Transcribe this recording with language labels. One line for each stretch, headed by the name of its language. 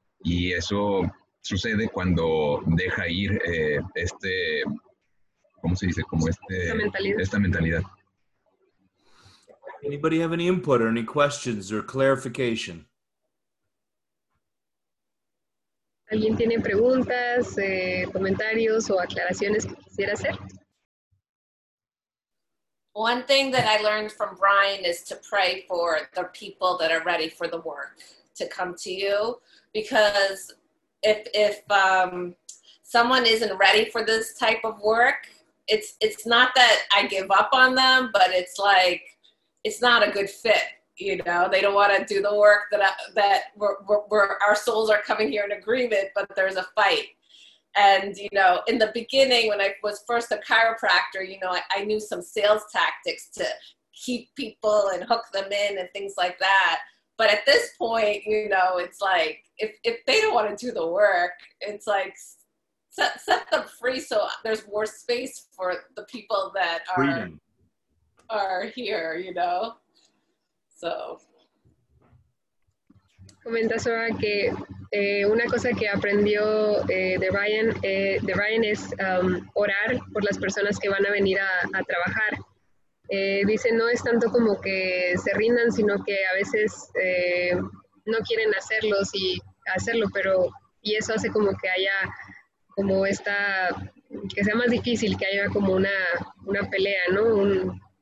Spanish: Y eso sucede cuando deja ir esta mentalidad.
English: Anybody have any input or any questions or clarification?
Spanish: ¿Alguien tiene preguntas, comentarios o aclaraciones que quisiera hacer?
English: One thing that I learned from Brian is to pray for the people that are ready for the work to come to you, because if someone isn't ready for this type of work, it's not that I give up on them, but it's like, it's not a good fit. You know, they don't want to do the work that our souls are coming here in agreement, but there's a fight. And, you know, in the beginning, when I was first a chiropractor, you know, I knew some sales tactics to keep people and hook them in and things like that. But at this point, you know, it's like, if they don't want to do the work, it's like, set them free so there's more space for the people that are here, you know. So.
Spanish: Comenta Sora que una cosa que aprendió de Brian es orar por las personas que van a venir a trabajar. Dice, no es tanto como que se rindan, sino que a veces no quieren hacerlo, pero eso hace como que haya como esta, que sea más difícil, que haya como una pelea, ¿no?